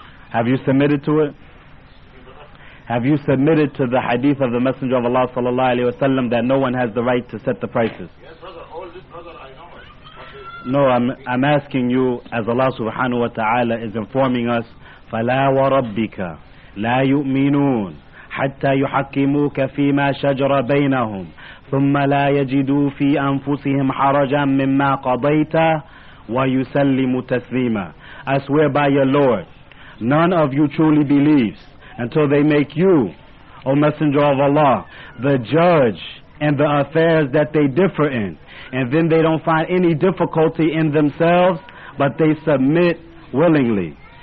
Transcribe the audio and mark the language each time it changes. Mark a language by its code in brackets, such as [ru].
[en] Have you submitted to it? Have you submitted to the hadith of the Messenger of Allah sallallahu alaihi wasallam that no one has the right to set the prices? Yes, brother. All this, brother, I know it. No, I'm asking you, as Allah subhanahu wa ta'ala is informing us, [ar] فَلَا وَرَبِّكَ لَا يُؤْمِنُونَ حَتَّى يُحَكِّمُوكَ فِي مَا شَجْرَ بَيْنَهُمْ ثُمَّ لَا يَجِدُوا فِي أَنفُسِهِمْ حَرَجًا مِمَّا قَضَيْتَ وَيُسَلِّمُ تَسْلِيمًا. [en] I swear by your Lord, none of you truly believes until they make you, O Messenger of Allah, the judge in the affairs that they differ in. And then they don't find any difficulty in themselves, but they submit willingly.